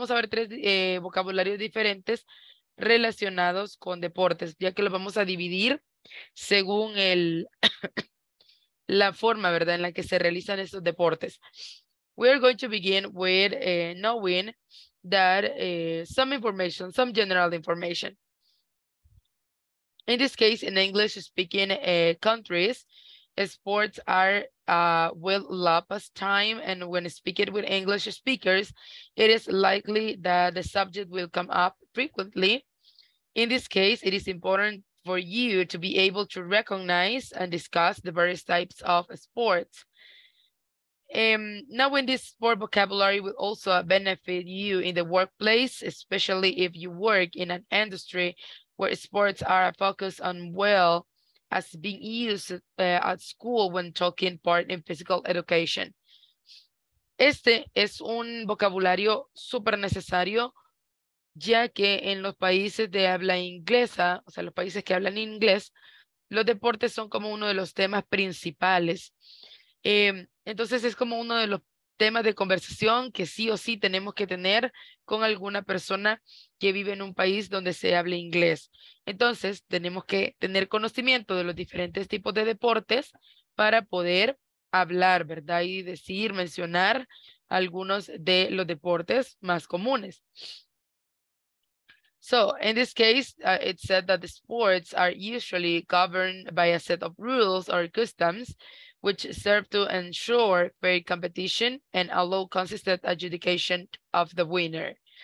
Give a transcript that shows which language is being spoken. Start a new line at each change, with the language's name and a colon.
Spanish: Vamos a ver tres vocabularios diferentes relacionados con deportes, ya que los vamos a dividir según el la forma, ¿verdad?, en la que se realizan estos deportes.
English: We are going to begin with knowing that some information, some general information. In this case, in English speaking countries, sports are well-loved pastime, and when speaking with English speakers, it is likely that the subject will come up frequently. In this case, it is important for you to be able to recognize and discuss the various types of sports. Now, when this sport vocabulary will also benefit you in the workplace, especially if you work in an industry where sports are focused on well as being used at school when taking part in physical education.
Spanish: Este es un vocabulario super necesario, ya que en los países de habla inglesa, o sea, los países que hablan inglés, los deportes son como uno de los temas principales. Entonces, es como uno de los temas de conversación que sí o sí tenemos que tener con alguna persona que vive en un país donde se hable inglés. Entonces, tenemos que tener conocimiento de los diferentes tipos de deportes para poder hablar, ¿verdad? Y decir, mencionar algunos de los deportes más comunes.
English: So, in this case, it said that the sports are usually governed by a set of rules or customs which serve to ensure fair competition and allow consistent adjudication of the winner.